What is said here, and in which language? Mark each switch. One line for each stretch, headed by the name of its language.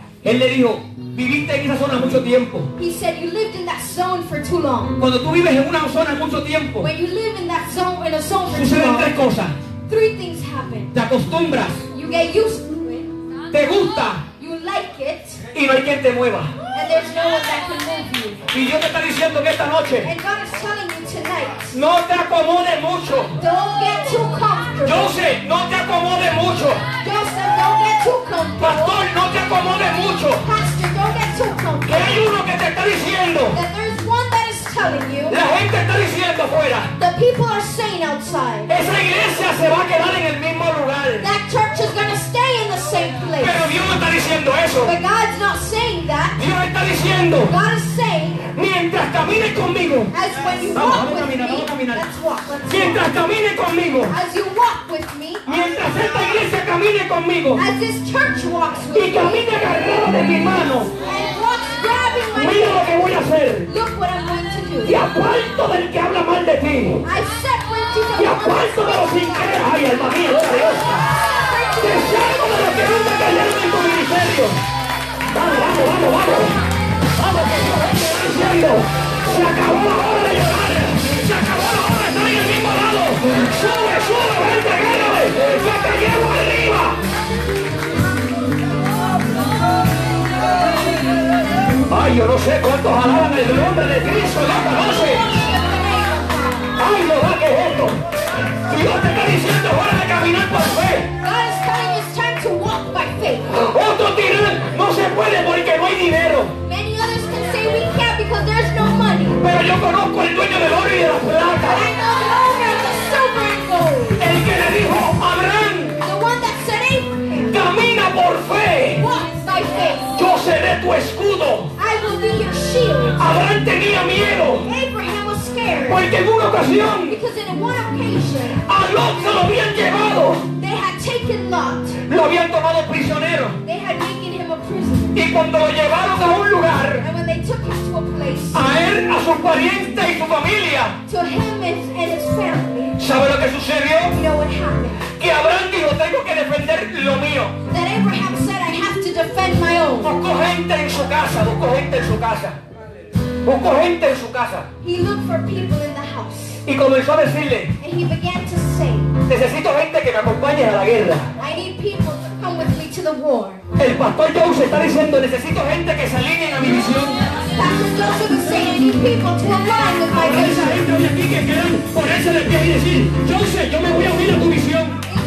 Spanish: Él le dijo, viviste en esa zona mucho tiempo.
English: He said, you lived in that zone for too long.
Spanish: Cuando tú vives en una zona mucho tiempo,
English: when you live in that zone, in a zone for
Spanish: suceden
English: too long,
Spanish: tres cosas.
English: Three things happen.
Spanish: Te acostumbras.
English: You get used to it.
Spanish: Te gusta.
English: You like it.
Spanish: Y no hay quien te mueva.
English: And there's no one that can move you.
Spanish: Y Dios te está diciendo que esta noche,
English: and God is telling you tonight,
Spanish: no te acomodes mucho.
English: Don't get too comfortable.
Spanish: Joseph, no te acomodes mucho.
English: Joseph, don't get too comfortable.
Spanish: Pastor, no te acomodes mucho. Que hay uno que te está diciendo.
English: That there's one that is telling you.
Spanish: La gente está diciendo afuera.
English: The people are saying outside.
Spanish: Esa iglesia se va a quedar en el mismo lugar.
English: That church is going to stay in the same place.
Spanish: Pero Dios no está diciendo eso.
English: But God's not saying that.
Spanish: Dios está diciendo.
English: God is saying.
Spanish: Mientras camines conmigo.
English: As when you
Spanish: vamos,
English: walk
Spanish: vamos
English: with
Spanish: caminar,
English: me. Let's walk.
Spanish: Mientras camines conmigo.
English: As you walk with me.
Spanish: Mientras esta iglesia camine conmigo.
English: As this church walks with me.
Spanish: Y camine agarrado de mi mano. Mira lo que voy a hacer.
English: Look what I'm going to do.
Spanish: Te aparto del que habla mal de ti.
English: I separate you.
Spanish: Te aparto de los incrédulos. Ay, alma mía, gloria a Dios. Te salgo de los que nunca cayeron en tu ministerio. Vamos. Vamos, que yo estoy diciendo. Se acabó la hora de llorar. Se acabó la hora de estar en el mismo lado. Sube, gente, cállame. Yo te llevo arriba. Ay, yo no sé cuántos alaban el nombre de Cristo, ya conoce. Ay, no va, que es esto. Dios te está diciendo, hora de caminar por fe.
English: God is telling you it's time to walk by faith.
Spanish: Otros dirán, no se puede porque no hay dinero.
English: Many others can say we can't because there's no money.
Spanish: Pero yo conozco el dueño del oro y de la plata.
English: I know the owner of the silver and gold.
Spanish: El que le dijo a Abraham.
English: The one that said Abraham.
Spanish: Camina por fe.
English: Walk by faith.
Spanish: Yo seré tu escudo.
English: Be your shield.
Spanish: Abraham tenía miedo.
English: Abraham was scared.
Spanish: Porque en una ocasión,
English: a
Spanish: Lot se lo habían llevado.
English: They had taken Lot.
Spanish: Lo habían tomado prisionero.
English: They had taken him a prisoner.
Spanish: Y cuando lo llevaron a un lugar,
English: and when they took him to a place,
Spanish: a él, a su pariente y su familia,
English: to him and his family,
Spanish: ¿sabe lo que sucedió?
English: You know what happened?
Spanish: Que Abraham dijo, tengo que defender lo mío.
English: That Abraham said, I have to defend my own.
Spanish: Busco gente en su casa, busco gente en su casa. Busco gente en su casa.
English: He looked for people in the house.
Spanish: Y comenzó a decirle,
English: and he began to say,
Spanish: necesito gente que me acompañe a la guerra.
English: I need people to come with me to the war.
Spanish: El pastor Jones está diciendo, necesito gente que se alinee a mi misión.
English: Pastor Joseph is saying, I need people to align with my vision.
Spanish: Hay gente hoy aquí que quieran ponerse de pie y decir, Joseph, yo me voy a unir a tu misión.